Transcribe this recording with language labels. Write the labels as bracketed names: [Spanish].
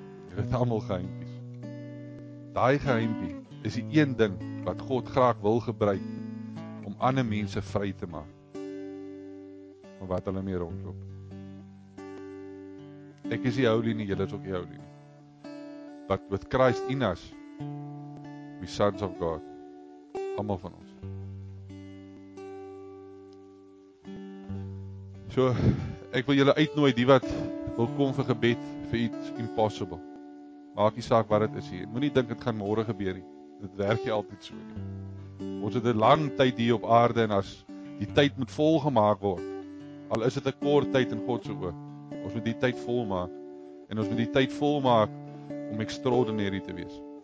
[Afrikaans] Jy het almal geheimpies. Daai geheimpie is die een ding wat God graag wil gebruik om ander mense vry te maak van wat hulle mee rondloop. Ek is die holy nie, julle is ook die holy nie. [English] But with Christ in us, we sons of God, [Afrikaans] almal van ons. So, ek wil julle uitnooi, die wat wil kom vir gebed vir iets impossible. Maak nie saak wat dit is hier. Moenie dink dit gaan môre gebeur nie. Dit werk nie altyd so nie. Ons het 'n lang tyd hier op aarde en as die tyd moet volgemaak word, al is dit 'n kort tyd in God se oë, ons moet die tyd volmaak en ons moet die tyd volmaak om extraordinary te wees.